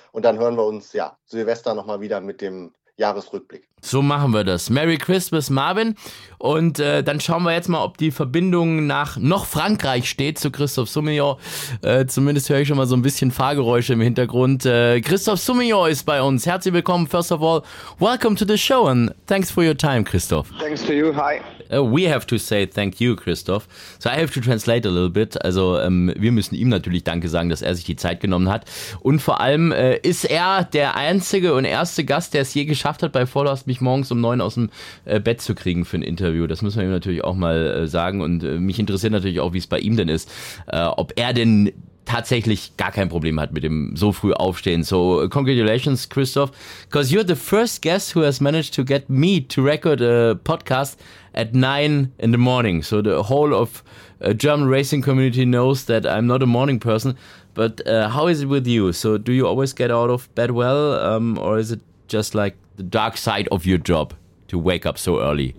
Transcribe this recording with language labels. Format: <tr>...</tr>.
<de>Und dann hören wir uns, ja, Silvester nochmal wieder mit dem Jahresrückblick. So machen wir das.</de> <en>Merry Christmas,</en> <de>Marvin. Und dann schauen wir jetzt mal, ob die Verbindung nach noch Frankreich steht zu Christophe Soumillon. Zumindest höre ich schon mal so ein bisschen Fahrgeräusche im Hintergrund. Christophe Soumillon ist bei uns. Herzlich willkommen,</de> <en>first of all. Welcome to the show and thanks for your time, Christophe. Thanks to you, hi. We have to say thank you, Christophe. So I have to translate a little bit.</en> <de>Also wir müssen ihm natürlich Danke sagen, dass er sich die Zeit genommen hat. Und vor allem ist er der einzige und erste Gast, der es je geschafft hat, bei Follow mich morgens um 9 aus dem Bett zu kriegen für ein Interview. Das müssen wir ihm natürlich auch mal sagen. Und mich interessiert natürlich auch, wie es bei ihm denn ist, ob er denn tatsächlich gar kein Problem hat mit dem so früh aufstehen.</de> <en>So, congratulations, Christoph, because you're the first guest who has managed to get me to record a podcast at 9 in the morning. So the whole of German racing community knows that I'm not a morning person. But how is it with you? So do you always get out of bed well or is it just like the dark side of your job to wake up so early?</en>